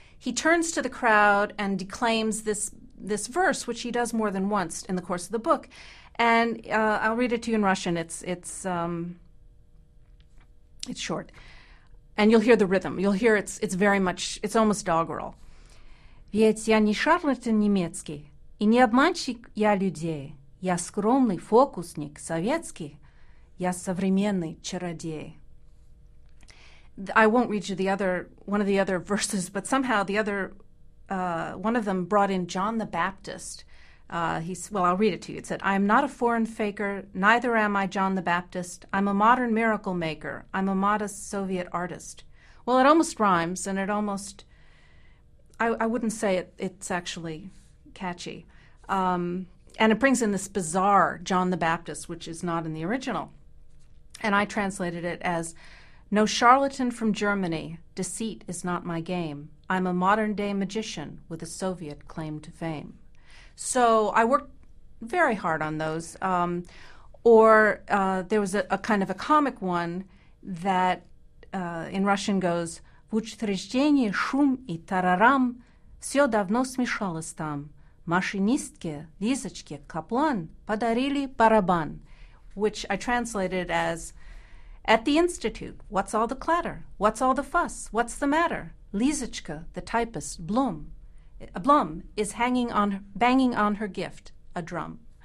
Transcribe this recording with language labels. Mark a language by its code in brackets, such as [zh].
[en] He turns to the crowd and declaims this verse, which he does more than once in the course of the book. And I'll read it to you in Russian. It's short. And you'll hear the rhythm. You'll hear it's almost doggerel. [ru] Ведь я не шарлатан немецкий и не обманщик я людей. Я скромный фокусник советский. Я современный чародей. [en] I won't read you one of the other verses, but somehow the other one of them brought in John the Baptist. I'll read it to you. It said, I am not a foreign faker, neither am I John the Baptist. I'm a modern miracle maker. I'm a modest Soviet artist. Well, it almost rhymes, and it almost, I wouldn't say it's actually catchy. And it brings in this bizarre John the Baptist, which is not in the original. And I translated it as, no charlatan from Germany, deceit is not my game. I'm a modern day magician with a Soviet claim to fame. So I worked very hard on those. There was a kind of a comic one that in Russian goes, [ru] Вучтреждение шум и тарарам, все давно смешалось там. Машинистке, Лизочке, Каплан, подарили барабан. [en] Which I translated as, at the institute, what's all the clatter? What's all the fuss? What's the matter? Lizochka, the typist, Blum is banging on her gift, a drum.